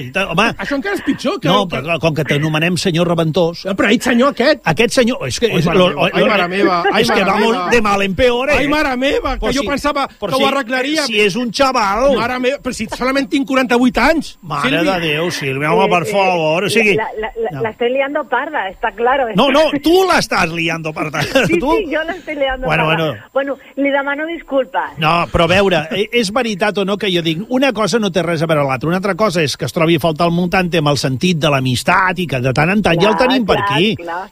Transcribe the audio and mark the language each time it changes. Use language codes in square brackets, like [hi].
[ca] Això encara és pitjor. Però com que t'anomenem senyor Reventós... No, però ets senyor aquest. Aquest senyor... Ai, mare meva. [es] Vamos de mal en peor, [ca] Ai, mare meva, que jo pensava que ho arreglaria. Si és un xaval... Mare meva, però si solament tinc 48 anys. Mare de Déu, Sílvia, home, per favor. [es] La estoy liando parda, está claro. [ca] No, tu l'estàs liando parda. Sí, jo l'estoy liando parda. Bueno, li demanem... No, disculpa. No, però a veure, és veritat o no que jo dic, una cosa no té res a veure l'altra, una altra cosa és que es trobi a faltar el muntante amb el sentit de l'amistat i que de tant en tant ja el tenim per aquí. Clar.